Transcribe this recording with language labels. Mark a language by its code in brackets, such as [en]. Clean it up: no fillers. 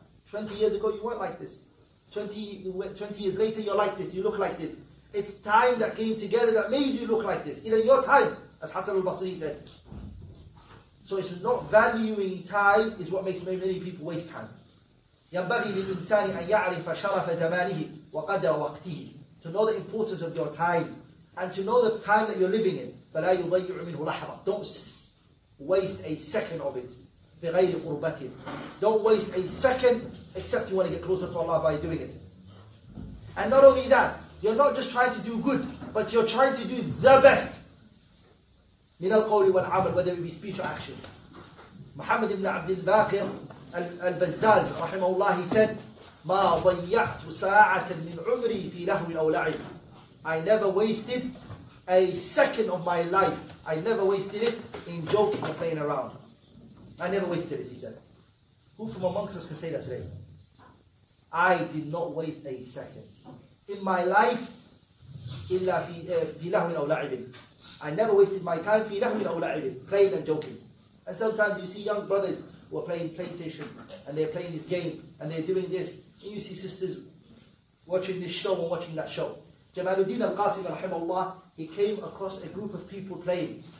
[en] 20 years ago, you weren't like this. 20 years later, you're like this. You look like this. It's time that came together that made you look like this. In your time, as Hassan al-Basri said. So it's not valuing time is what makes many people waste time. [ar] يَنْبَغِي لِلْإِنسَانِ أَنْ يَعْرِفَ شَرَفَ زَمَانِهِ وَقَدْرَ وَقْتِهِ, [en] to know the importance of your time. And to know the time that you're living in, [ar] فَلَا يُضَيِّعُ مِنْهُ لَحْرًا, [en] don't waste a second of it. [ar] بِغَيْرِ قُرْبَةٍ, [en] don't waste a second except you want to get closer to Allah by doing it. And not only that, you're not just trying to do good, but you're trying to do the best. [ar] مِنَ الْقَوْلِ وَالْعَمَلِ, [en] whether it be speech or action. Muhammad ibn Abd al-Baqir al-Bazzal, rahimahullah, he said, [ar] مَا ضَيَّعْتُ سَاعَةً مِنْ عُمْرِي فِي لَهْوِ أَوْ لَعِبٍ, [en] I never wasted a second of my life. I never wasted it in joking or playing around. I never wasted it, he said. Who from amongst us can say that today? I did not waste a second. In my life, [ar] إلا في لهو أو لعب. [en] I never wasted my time [ar] في لهو أو لعب, [en] playing and joking. And sometimes you see young brothers who are playing PlayStation and they're playing this game and they're doing this. And you see sisters watching this show or watching that show. Jamaluddin al-Qasim rahimahullah, he came across a group of people playing.